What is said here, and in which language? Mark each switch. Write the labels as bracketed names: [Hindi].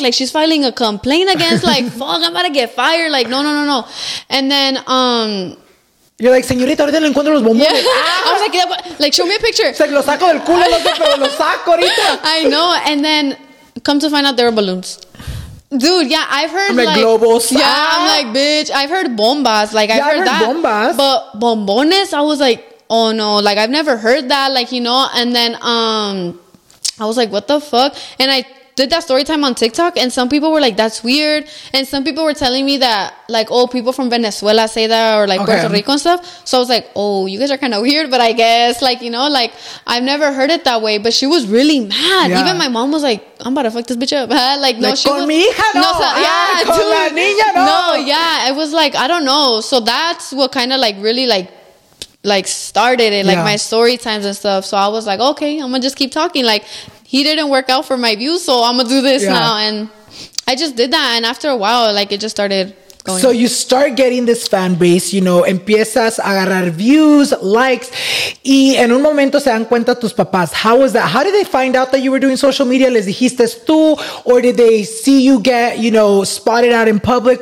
[English] Like, she's filing a complaint against, like, fuck, I'm about to get fired. Like, no, no, no, no. And then, You're like, [Spanish] señorita, ahorita le encuentro los bombones. [English] Yeah. I was like, show me a picture. [Spanish] Se lo saco del culo, pero lo saco ahorita. [English] I know. And then come to find out there are balloons. Dude, yeah, I've heard, I'm like, globos. Yeah, I'm like, bitch, I've heard bombas. Like, yeah, I've heard that. [Spanish] Bombas. [English] But bombones, I was like, oh, no. Like, I've never heard that. Like, you know. And then I was like, what the fuck? And I did that story time on TikTok, and some people were like, that's weird. And some people were telling me that, like, oh, people from Venezuela say that, or like, okay, Puerto Rico and stuff. So I was like, oh, you guys are kind of weird, but I guess, like, you know, like, I've never heard it that way. But she was really mad. Yeah. Even my mom was like, I'm about to fuck this bitch up. Like, no, like, she [Spanish] con [English] was, [Spanish] mi hija no, no, so, [English] yeah, [Spanish] con [English] dude, [Spanish] la niña no. [English] No, yeah, it was like, I don't know. So that's what kind of like really like started it, like, yeah, my story times and stuff. So I was like, okay, I'm gonna just keep talking. Like, he didn't work out for my views, so I'm gonna do this now. And I just did that. And after a while, like, it just started going. So you start getting this fan base, you know, [Spanish] empiezas a agarrar views, likes. Y en un momento se dan cuenta tus papás. [English] How was that? How did they find out that you were doing social media? [Spanish] ¿Les dijiste tú? [English] Or did they see you get, you know, spotted out in public?